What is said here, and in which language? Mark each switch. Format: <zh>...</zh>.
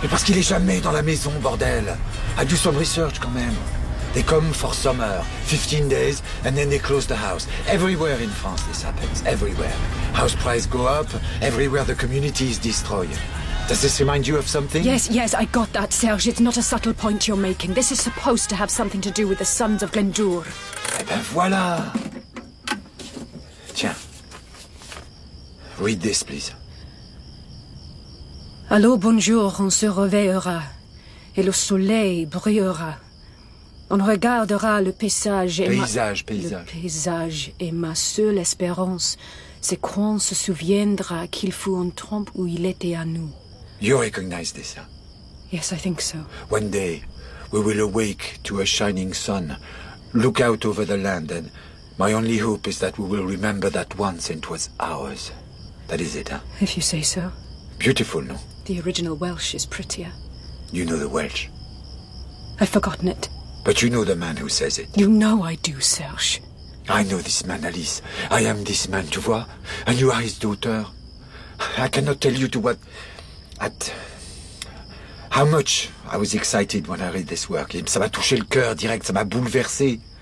<fr>Mais parce qu'il est jamais dans la maison, bordel.</fr> <en>I do some research</en> <fr>quand même.</fr> <en>They come for summer, 15 days, and then they close the house. Everywhere in France this happens, everywhere. House prices go up, everywhere the community is destroyed. Does this remind you of something? Yes, yes, I got that, Serge. It's not a subtle point you're making. This is supposed to have something to do with the Sons of Glendour. Eh ben voilà. Tiens. Read this, please.</en> <fr>Allô, bonjour, on se réveillera. Et le soleil brillera. On regardera le paysage et paysage, ma... paysage. Le paysage et ma seule espérance, c'est qu'on se souviendra qu'il fut un temps où il était à nous.</fr> <en>You recognize this, huh? Yes, I think so. One day, we will awake to a shining sun, look out over the land, and my only hope is that we will remember that once it was ours. That is it, huh? If you say so. Beautiful, no? The original Welsh is prettier. You know the Welsh? I've forgotten it. But you know the man who says it. You know I do, Serge. I know this man, Alice. I am this man,</en> <fr>tu vois?</fr> <en>And you are his daughter. I cannot tell you to what... At... How much I was excited when I read this work.</en> <fr>Ça m'a touché le cœur direct, ça m'a bouleversé.</fr>